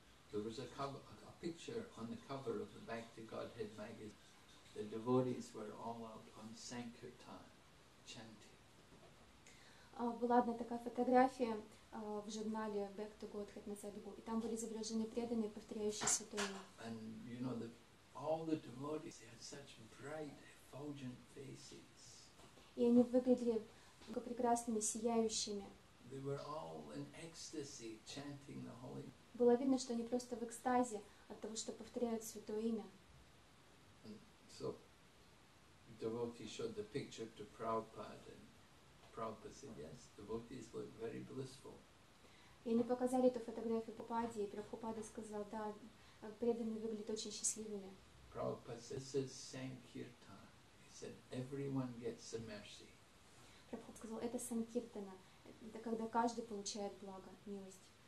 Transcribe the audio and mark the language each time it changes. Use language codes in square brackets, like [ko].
[en] There was a picture on the cover of the Bhakti Godhead magazine. The devotees were all out on Sankirtan, chanting. [ru] Была одна такая фотография в журнале Back to Godhead на Садгу, и там были изображены преданные, повторяющие святое. [en] And you know the, all the devotees they had such bright, effulgent faces. [ru] И они выглядели как прекрасными, сияющими. [en] They were all in ecstasy, chanting the holy. [ru] Было видно, что они просто в экстазе от того, что повторяют святое имя. [en] And so devotee showed the picture to Prabhupada. Prabhupada said, yes, devotees look very blissful. [ru] И они показали эту фотографию Прабхупаде, и Прабхупада сказал, да, преданные выглядят очень счастливыми. [en] Prabhupada said, this is Sankirtan. He said, everyone gets a mercy. [ru] Прабхупада сказал, это Санкиртана. Это когда каждый получает благо, милость.